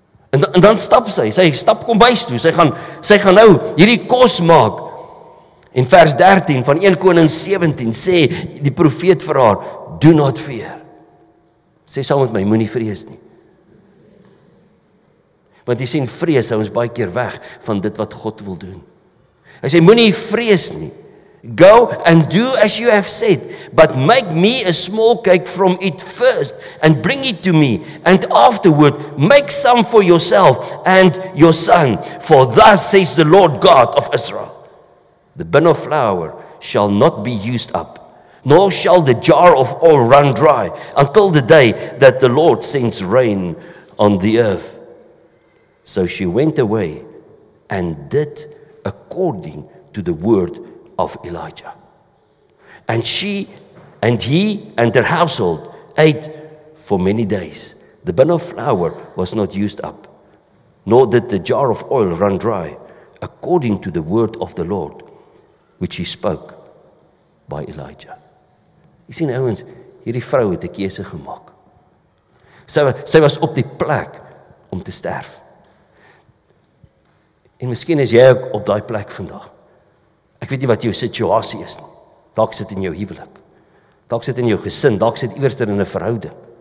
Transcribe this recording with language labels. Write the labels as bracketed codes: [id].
[af] En dan stap sy, sy stap kombuis toe, sy gaan nou hierdie kos maak. En vers 13 van 1 Koning 17 sê die profeet vir haar, [en] do not fear. [af] Sê saam met my, moenie vrees nie. Want jy sien, vrees hou ons baie keer weg van dit wat God wil doen. Hy sê, moenie vrees nie. [en] Go and do as you have said, but make me a small cake from it first and bring it to me, and afterward make some for yourself and your son. For thus says the Lord God of Israel, the bin of flour shall not be used up, nor shall the jar of oil run dry until the day that the Lord sends rain on the earth. So she went away and did according to the word of Elijah. And she and he and their household ate for many days. The bin of flour was not used up, nor did the jar of oil run dry, according to the word of the Lord, which he spoke by Elijah. You see, now, [af] hierdie vrou het 'n keuse gemaak. Sy was op die plek om te sterf. En miskien is jy ook op daai plek vandag. Ek weet nie wat jou situasie is nie. Dalk sit in jou huwelik. Dalk sit in jou gesin, dalk sit iewers in 'n verhouding.